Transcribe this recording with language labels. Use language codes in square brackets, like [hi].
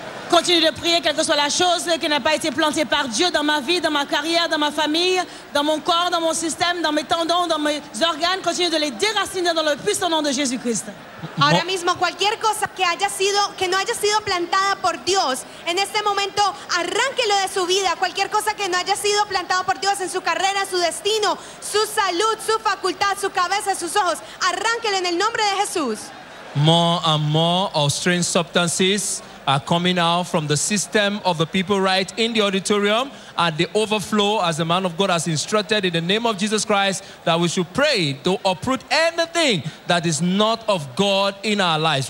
[fr] Continue de prier, quelle que soit la chose qui n'a pas été plantée par Dieu dans ma vie, dans ma carrière, dans ma famille, dans mon corps, dans mon système, dans mes tendons, dans mes organes. Continue de les déraciner dans le puissant nom de Jésus-Christ. [es] Ahora mismo, cualquier cosa que haya sido, que no haya sido plantada por Dios, en este momento, arránquelo de su vida. Cualquier cosa que no haya sido plantada por Dios en su carrera, su destino, su salud, su facultad, su cabeza, sus ojos, arránquelo en el nombre de Jesús. [en] More and more of strange substances are coming out from the system of the people right in the auditorium, and they overflow as the man of God has instructed in the name of Jesus Christ that we should pray to uproot anything that is not of God in our lives.